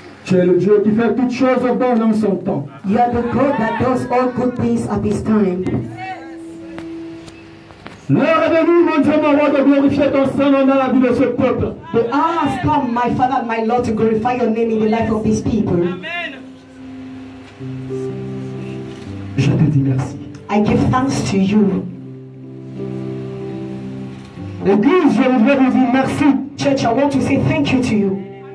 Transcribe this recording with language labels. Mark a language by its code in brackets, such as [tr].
[en] You are the God that does all good things at this time. [fr] L'heure est venue, mon Dieu, mon roi, de glorifier ton saint nom dans la vie de ce peuple. [en] The hour has come, my Father and my Lord, to glorify your name in the life of these people. Amen. [fr] Je te dis merci. [en] I give thanks to you. [fr] Église, je voudrais vous dire merci. [en] Church, I want to say thank you to you.